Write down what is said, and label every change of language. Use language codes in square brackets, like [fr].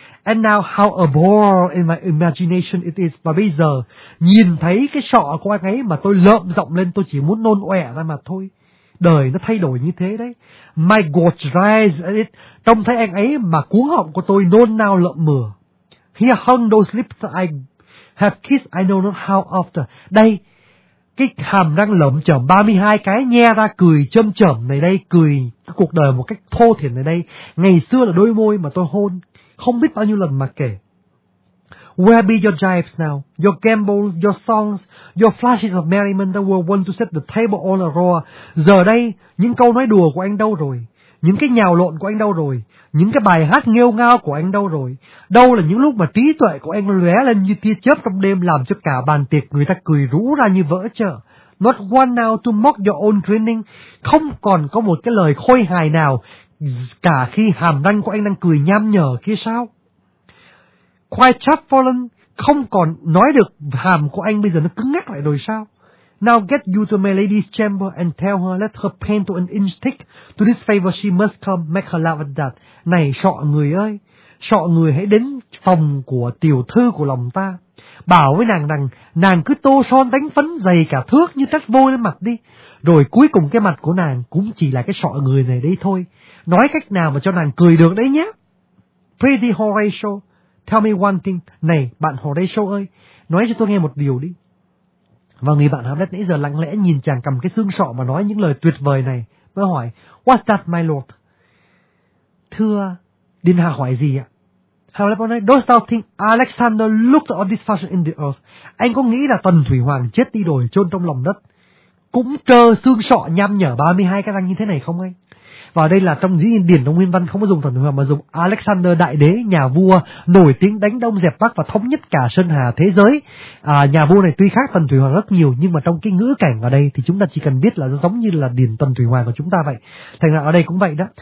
[en] And now how abhorrent in my imagination it is, [vi] và bây giờ, nhìn thấy cái sọ của anh ấy mà tôi lợm giọng lên, tôi chỉ muốn nôn ọe ra mà thôi. Đời nó thay đổi như thế đấy. [en] My gorge rise at it. [vi] Trông thấy anh ấy mà cuống họng của tôi nôn nao lợm mửa. [en] He hung those lips that I have kissed I know not how after. [vi] Đây, cái hàm răng lợm chởm 32 cái nhe ra cười châm chởm này đây, cười cái cuộc đời một cách thô thiển này đây. Ngày xưa là đôi môi mà tôi hôn, không biết bao nhiêu lần mà kể. [en] Where be your jives now, your gambols, your songs, your flashes of merriment that were wont to set the table on a roar? [vi] Giờ đây, những câu nói đùa của anh đâu rồi? Những cái nhào lộn của anh đâu rồi? Những cái bài hát nghêu ngao của anh đâu rồi? Đâu là những lúc mà trí tuệ của anh lóe lên như tia chớp trong đêm làm cho cả bàn tiệc người ta cười rú ra như vỡ chợ? [en] Not one now to mock your own grinning. [vi] Không còn có một cái lời khôi hài nào cả khi hàm răng của anh đang cười nham nhở kia sao? Chapfallen không còn nói được, hàm của anh bây giờ nó cứng ngắc lại rồi sao? [en] Now get you to my lady's chamber and tell her let her paint to an inch thick. To this favor she must come, make her love at that. [vi] Này sọ người ơi, sọ người hãy đến phòng của tiểu thư của lòng ta. Bảo với nàng rằng, nàng cứ tô son đánh phấn dày cả thước như tách vôi lên mặt đi. Rồi cuối cùng cái mặt của nàng cũng chỉ là cái sọ người này đấy thôi. Nói cách nào mà cho nàng cười được đấy nhé. [en] Pretty Horatio, tell me one thing. [vi] Này, bạn Horatio ơi, nói cho tôi nghe một điều đi. Và người bạn Hamlet nãy giờ lặng lẽ nhìn chàng cầm cái xương sọ mà nói những lời tuyệt vời này. Mới hỏi, [en] what's that, my lord? [vi] Thưa, điện hạ hỏi gì ạ? [en] Hamlet nói, dost thou think Alexander looked on this fashion in the earth? [vi] Anh có nghĩ là Tần Thủy Hoàng chết đi rồi chôn trong lòng đất? Cũng trơ xương sọ nhăm nhở 32 cái răng như thế này không anh? Và đây là trong dĩ điển trong nguyên văn không có dùng Tần Thủy Hoàng mà dùng Alexander đại đế, nhà vua nổi tiếng đánh đông dẹp bắc và thống nhất cả Sơn Hà thế giới. À, nhà vua này tuy khác Tần Thủy Hoàng rất nhiều nhưng mà trong cái ngữ cảnh ở đây thì chúng ta chỉ cần biết là giống như là điển Tần Thủy Hoàng của chúng ta vậy. Thành ra ở đây cũng vậy đó.